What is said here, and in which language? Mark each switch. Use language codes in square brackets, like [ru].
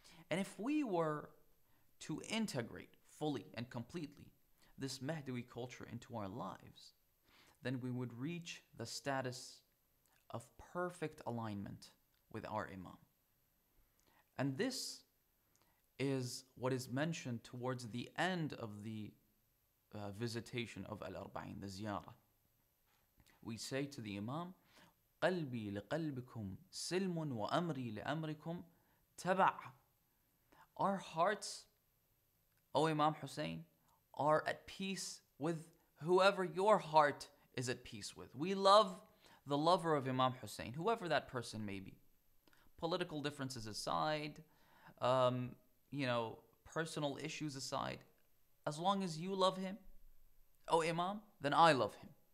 [en] And if we were to integrate fully and completely this Mahdawi culture into our lives, then we would reach the status of perfect alignment with our Imam. And this is what is mentioned towards the end of the visitation of Al-Arba'in, the Ziyarah. We say to the Imam, [ar] قلبي لقلبكم سلم وأمري لأمركم تبع. [en] Our hearts, O Imam Hussein, are at peace with whoever your heart is at peace with. We love the lover of Imam Hussein, whoever that person may be. Political differences aside, personal issues aside, as long as you love him, O Imam, then I love him.